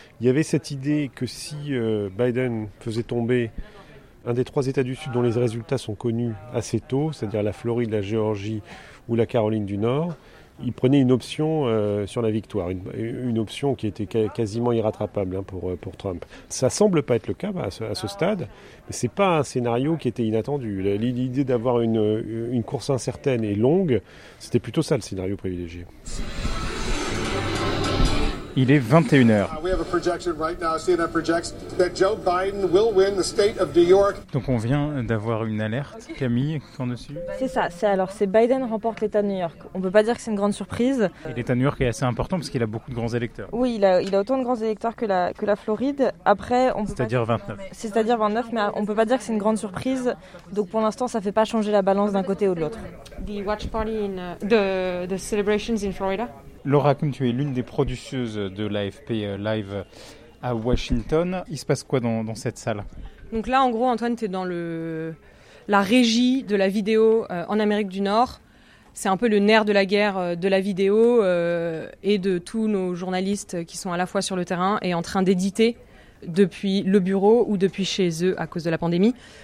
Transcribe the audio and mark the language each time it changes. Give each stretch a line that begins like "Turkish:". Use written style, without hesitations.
French: Il y avait cette idée que si Biden faisait tomber un des trois États du Sud dont les résultats sont connus assez tôt, c'est-à-dire la Floride, la Géorgie ou la Caroline du Nord, il prenait une option sur la victoire, une option qui était quasiment irrattrapable pour Trump. Ça semble pas être le cas à ce stade, mais c'est pas un scénario qui était inattendu. L'idée d'avoir une course incertaine et longue, c'était plutôt ça le scénario privilégié. Il est 21h.
English: We have a projection right now, CNN projects, that Joe Biden will win the state of New York.
French: Donc on vient d'avoir une alerte, Camille, t'en dessus. C'est ça, c'est Biden remporte l'État de New York. On ne peut pas dire que c'est une grande surprise. Et l'État de New York est assez important parce qu'il a beaucoup de grands électeurs. Oui, il a autant de grands électeurs que la Floride. Après, on peut C'est-à-dire 29. C'est-à-dire 29, mais on ne peut pas dire que c'est une grande surprise. Donc pour l'instant, ça ne fait pas changer la balance d'un côté ou de l'autre.
English: The watch party in the celebrations in Florida.
French: Laura Kuhn, tu es l'une des producteuses de l'AFP Live à Washington. Il se passe quoi dans cette salle ? Donc là, en gros, Antoine, tu es dans la régie de la vidéo en Amérique du Nord. C'est un peu le nerf de la guerre de la vidéo et de tous nos journalistes qui sont à la fois sur le terrain et en train d'éditer depuis le bureau ou depuis chez eux à cause de la pandémie.